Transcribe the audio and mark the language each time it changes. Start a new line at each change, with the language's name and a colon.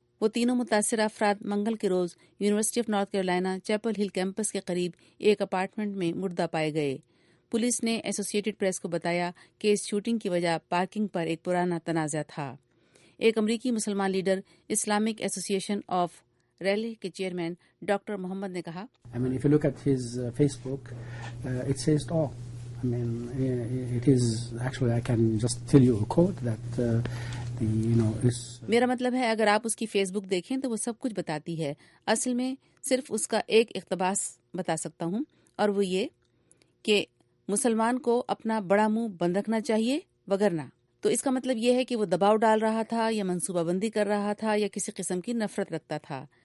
Urdu: وہ تینوں متاثرہ افراد منگل کے روز university of north Carolina Chappell ہل کیمپس کے قریب ایک اپارٹمنٹ میں مردہ پائے گئے. پولیس نے ایسوسیٹڈ پریس کو بتایا کہ اس شوٹنگ کی وجہ پارکنگ پر ایک پرانا تنازع تھا. ایک امریکی مسلمان لیڈر اسلامک ایسوسی ایشن آف ریلی کے چیئرمین ڈاکٹر محمد نے کہا,
English: I mean, if you look at his Facebook, it says it all. I mean, it is actually, I can just tell you a quote that, you know, is...
Urdu: میرا مطلب ہے اگر آپ اس کی face بک دیکھیں تو وہ سب کچھ بتاتی ہے. اصل میں صرف اس کا ایک اقتباس بتا سکتا ہوں اور وہ یہ کہ مسلمان کو اپنا بڑا منہ بند رکھنا چاہیے وگرنہ. تو اس کا مطلب یہ ہے کہ وہ دباؤ ڈال رہا تھا یا منصوبہ بندی کر رہا تھا یا کسی قسم کی نفرت رکھتا تھا.